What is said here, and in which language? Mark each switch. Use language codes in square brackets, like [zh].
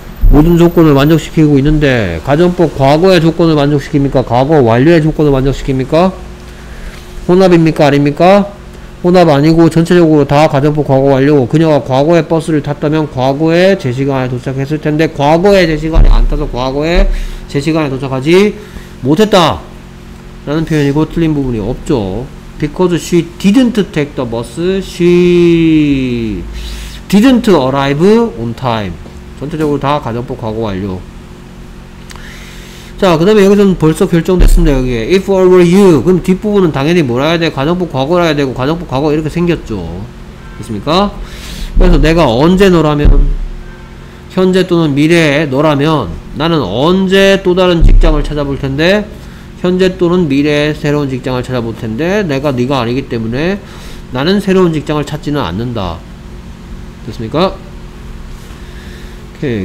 [ko] 모든 조건을 만족시키고 있는데 가정법 과거의 조건을 만족시킵니까 과거 완료의 조건을 만족시킵니까 혼합입니까 아닙니까? 혼합 아니고 전체적으로 다 가정법 과거 완료고 그녀가 과거에 버스를 탔다면 과거에 제 시간에 도착했을 텐데 과거에 제 시간에 안 타서 과거에 제 시간에 도착하지 못했다 라는 표현이고 틀린 부분이 없죠. [en] Because she didn't take the bus, she didn't arrive on time. [ko] 전체적으로 다 가정법 과거 완료. 자, 그 다음에 여기서는 벌써 결정됐습니다. 여기에 [en] if all were you, [ko] 그럼 뒷부분은 당연히 뭐라 해야 돼? 가정법 과거라 해야 되고 가정법 과거 이렇게 생겼죠. 됐습니까? 그래서 내가 언제 너라면 현재 또는 미래에 너라면 나는 언제 또 다른 직장을 찾아볼 텐데 현재 또는 미래에 새로운 직장을 찾아볼 텐데 내가 네가 아니기 때문에 나는 새로운 직장을 찾지는 않는다. 됐습니까? 오케이.